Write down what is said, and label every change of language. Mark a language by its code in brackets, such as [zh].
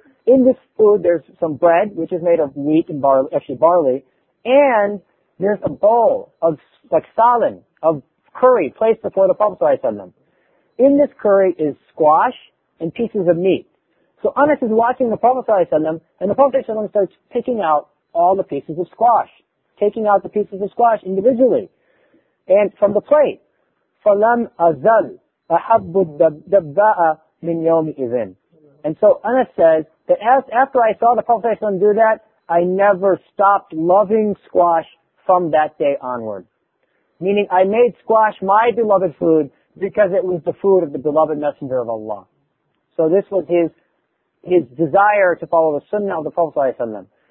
[en] In this food, there's some bread, which is made of meat and barley, and there's a bowl of, like, salin, of curry, placed before the Prophet ﷺ. In this curry is squash and pieces of meat. So Anas is watching the Prophet ﷺ, and the Prophet ﷺ starts picking out all the pieces of squash, taking out the pieces of squash individually. And from the plate, [ar] فَلَمْ أَزَلْ أَحَبُّ الدَّبَّاءَ مِنْ يَوْمِ إِذٍ. [en] And so Anas says that after I saw the Prophet ﷺ do that, I never stopped loving squash from that day onward. Meaning I made squash my beloved food because it was the food of the beloved Messenger of Allah. So this was his desire to follow the sunnah of the Prophet ﷺ.